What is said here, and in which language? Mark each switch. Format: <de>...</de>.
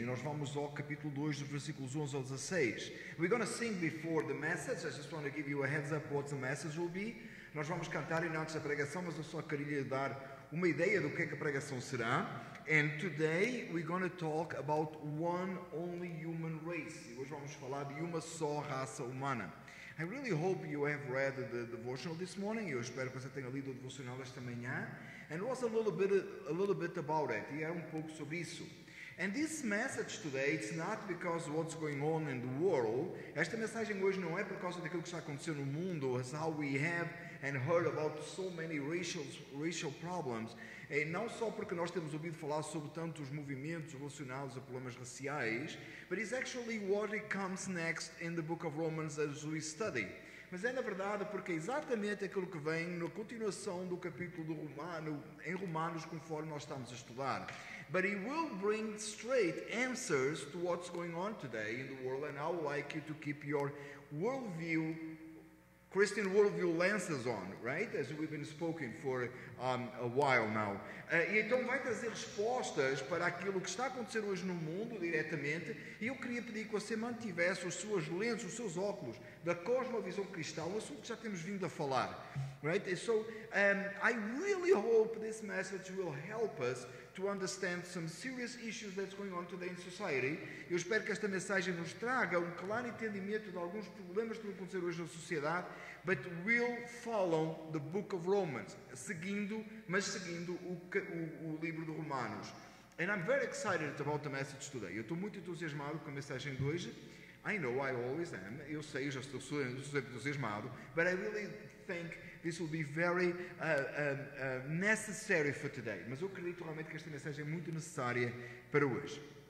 <pt>E nós vamos ao capítulo 2, dos versículos 11 ao 16.</pt> <en>We're going to sing before the message. I just want to give you a heads up what the message will be.</en> <pt>Nós vamos cantar em antes da pregação, mas eu só queria dar uma ideia do que é que a pregação será.</pt> <en>And today we're going to talk about one only human race.</en> <pt>E hoje vamos falar de uma só raça humana.</pt> <en>I really hope you have read the devotional this morning.</en> <pt>Eu espero que você tenha lido o devocional esta manhã.</pt> <en>And it was a little bit about it.</en> <pt>E era um pouco sobre isso.</pt> <en>And this message today, it's not because of what's going on in the world.</en> <pt>Esta mensagem hoje não é por causa daquilo que está acontecendo no mundo.</pt> <en>As how we have and heard about so many racial problems.</en> <pt>E não só porque nós temos ouvido falar sobre tantos movimentos relacionados a problemas raciais,</pt> <en>but it's actually what it comes next in the book of Romans as we study.</en> <pt>Mas é na verdade porque é exatamente aquilo que vem na continuação do capítulo do Romano, em Romanos, conforme nós estamos a estudar.</pt> <en>But it will bring straight answers to what's going on today in the world, and I would like you to keep your worldview, Christian worldview lenses on, right? As we've been spoken for a while now.</en> <pt>E então vai trazer respostas para aquilo que está acontecendo hoje no mundo diretamente, e eu queria pedir que você mantivesse as suas lentes, os seus óculos da cosmovisão cristã, um assunto que já temos vindo a falar, right?</pt> <en>And so I really hope this message will help us to understand some serious issues that's going on today in society.</en> <pt>Eu espero que esta mensagem nos traga um claro entendimento de alguns problemas que estão a acontecer hoje na sociedade,</pt> <en>but will follow the book of Romans,</en> <pt>seguindo o livro de Romanos.</pt> <en>And I'm very excited about the message today.</en> <pt>Eu estou muito entusiasmado com a mensagem de hoje.</pt> <en>I know I always am.</en> <pt>Eu sei, eu já estou sempre entusiasmado,</pt> <en>but I really think this will be very necessary for today.</en> <pt>Mas eu acredito realmente que esta mensagem é muito necessária para hoje.</pt>